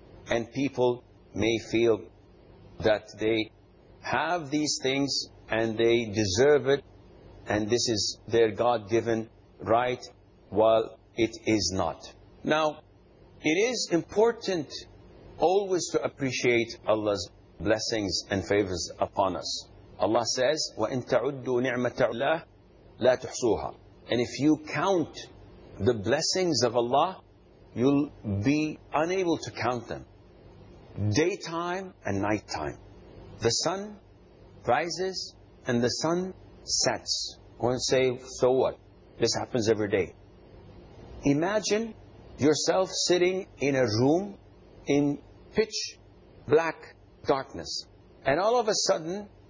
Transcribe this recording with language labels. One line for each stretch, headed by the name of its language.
English: And people may feel that they have these things and they deserve it and this is their God-given right, while it is not. Now, it is important always to appreciate Allah's blessings and favors upon us. Allah says,
Arabic: وَإِن تَعُدُّوا نِعْمَةَ اللَّهِ لَا تُحْصُوهَا.
English: And if you count the blessings of Allah, you'll be unable to count them. Daytime and nighttime. The sun rises and the sun sets. One say, so what? This happens every day. Imagine yourself sitting in a room in pitch black darkness. And all of a sudden,